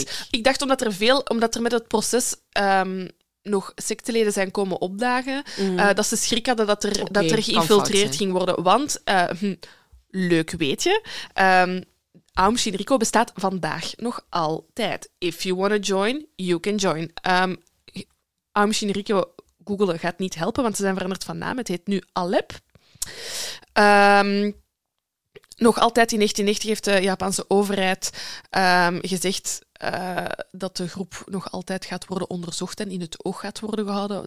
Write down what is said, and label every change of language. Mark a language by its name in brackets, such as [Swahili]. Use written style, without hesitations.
[Dutch] Ik dacht omdat er met het proces nog secteleden zijn komen opdagen, dat ze schrik hadden dat er geïnfiltreerd ging worden. Want, leuk weet je... Aum Shinriko bestaat vandaag nog altijd. [English] If you want to join, you can join. [Dutch] Aum Shinriko googelen gaat niet helpen, want ze zijn veranderd van naam. Het heet nu Alep. Nog altijd in 1990 heeft de Japanse overheid gezegd dat de groep nog altijd gaat worden onderzocht en in het oog gaat worden gehouden.